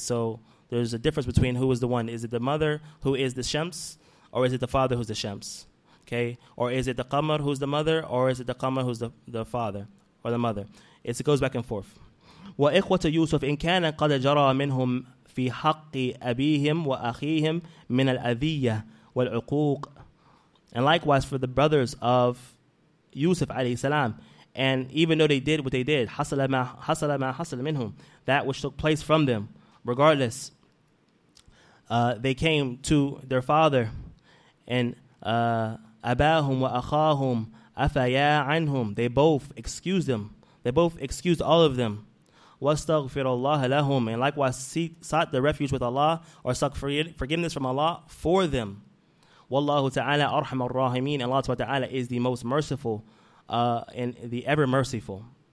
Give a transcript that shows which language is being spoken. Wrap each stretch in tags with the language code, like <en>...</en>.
<en>So there's a difference between who is the one. Is it the mother who is the shams, or is it the father who's the shams, okay? Or is it the qamar who's the mother, or is it the qamar who's the father or the mother? It goes back and forth.</en> <ar>وَإِخْوَةَ يُوسُفْ إِنْ كَانَ قَدَ جَرَى مِنْهُمْ في حق أبيهم وأخيهم من الأذية والعقوق.</ar> <en>And likewise for the brothers of Yusuf عليه السلام. And even though they did what they did,</en> <ar>حصل ما حصل منهم,</ar> <en>that which took place from them, regardless, they came to their father, and</en> <ar>أباهم وأخاهم أفيا عنهم.</ar> <en>They both excused them. They both excused all of them.</en> <ar>واستغفر الله لهم.</ar> <en>And likewise sought the refuge with Allah, or sought forgiveness from Allah for them.</en> <ar>والله تعالى أرحم الراحمين.</ar> <en>Allah تعالى is the most merciful and the ever merciful.</en>